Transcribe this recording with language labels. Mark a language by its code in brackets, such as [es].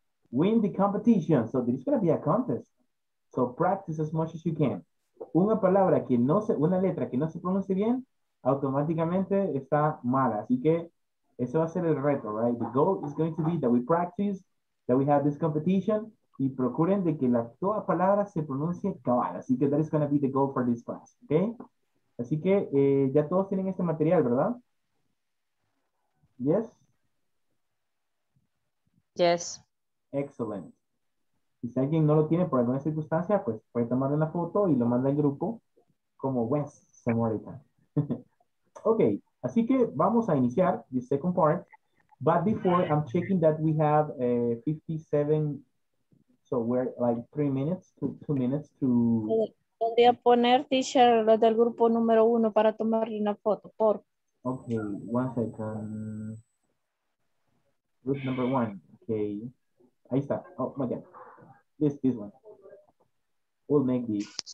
[en] Win the competition. So, there is going to be a contest. So, practice as much as you can. [es] una palabra que no se, una letra que no se pronuncie bien, automáticamente está mala. Así que eso va a ser el reto, [en] right? The goal is going to be that we practice, that we have this competition, [es] y procuren de que la toda palabra se pronuncie cabal. Así que [en] that is going to be the goal for this class, okay? [es] Así que ya todos tienen este material, ¿verdad? [en] Yes? Yes. Excellent. [es] Y si alguien no lo tiene por alguna circunstancia, pues puede tomarle una foto y lo manda al grupo como Wes Samaritan. Ok, así que vamos a iniciar [en] the second part. But before, I'm checking that we have 57, so we're like 3 minutes, two minutes to... [es] Voy a poner teacher lo del grupo número uno para tomarle una foto, por. [en] Ok, one second. Group number one, ok. [es] Ahí está, [en] oh my god. This one. We'll make this.